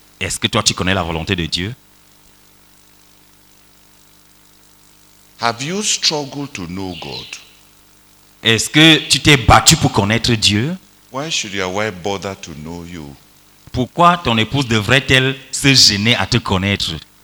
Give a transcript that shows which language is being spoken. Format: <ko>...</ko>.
<fr>Est-ce que toi tu connais la volonté de Dieu?</fr> <en>Have you struggled to know God?</en> <fr>Est-ce que tu t'es battu pour connaître Dieu?</fr> <en>Why should your wife bother to know you?</en> <fr>Pourquoi ton épouse devrait-elle se gêner à te connaître?</fr>